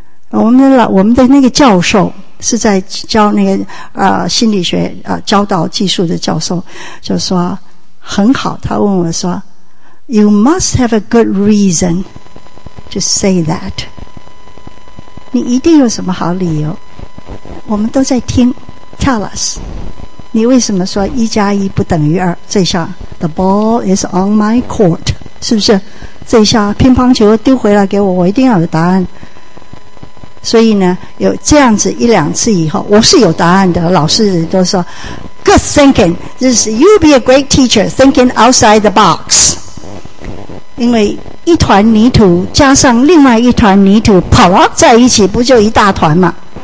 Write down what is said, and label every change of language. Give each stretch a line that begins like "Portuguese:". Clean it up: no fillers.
Chinese: 我们的那个教授是在教那个心理学教导技术的教授，就说很好，他问我说
English: You must have a good reason to say that，
Chinese: 你一定有什么好理由，我们都在听，
English: Tell us
Chinese: 你为什么说一加一不等于二，这下
English: The ball is on my court，
Chinese: 是不是？这下乒乓球丢回来给我，我一定要有答案。所以呢，有这样子一两次以后，我是有答案的。老师都说
English: Good thinking， This is you be a great teacher thinking outside the box。
Chinese: 因为一团泥土加上另外一团泥土跑到在一起，不就一大团吗？